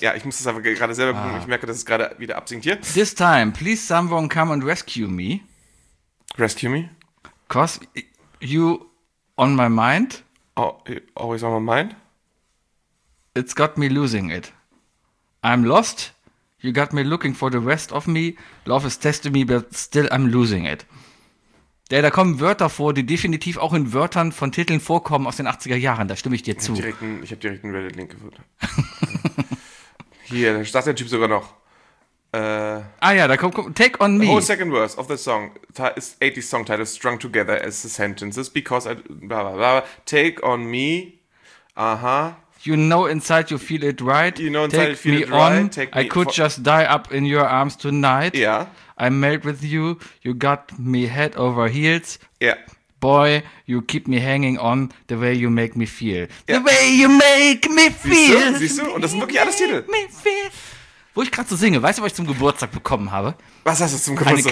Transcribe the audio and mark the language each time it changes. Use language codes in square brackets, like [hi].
[de] Ja, ich muss das aber gerade selber gucken. Ich merke, dass es gerade wieder absinkt hier. [en] This time, please someone come and rescue me. Rescue me? Cause you... On my mind. Oh, always on my mind. It's got me losing it. I'm lost. You got me looking for the rest of me. Love is testing me, but still I'm losing it. [de] Da kommen Wörter vor, die definitiv auch in Wörtern von Titeln vorkommen aus den 80er Jahren. Da stimme ich dir zu. Ich habe direkt einen Reddit-Link gefunden. Hier, da sagt der Typ sogar noch. Da kommt Take on Me. [en] The whole second verse of the song is 80s song title strung together as the sentences because I. Blah, blah, blah, take on me. You know inside you feel it right. You know inside take you feel me it right. On. Take me I could just die up in your arms tonight. Yeah. I melt with you. You got me head over heels. Yeah. Boy, you keep me hanging on the way you make me feel. Yeah. The way you make me feel. [de] Siehst du? Und das sind wirklich alles Titel. [en] Me feel. [de] Wo ich gerade so singe, weißt du, was ich zum Geburtstag bekommen habe? Was hast du zum Geburtstag?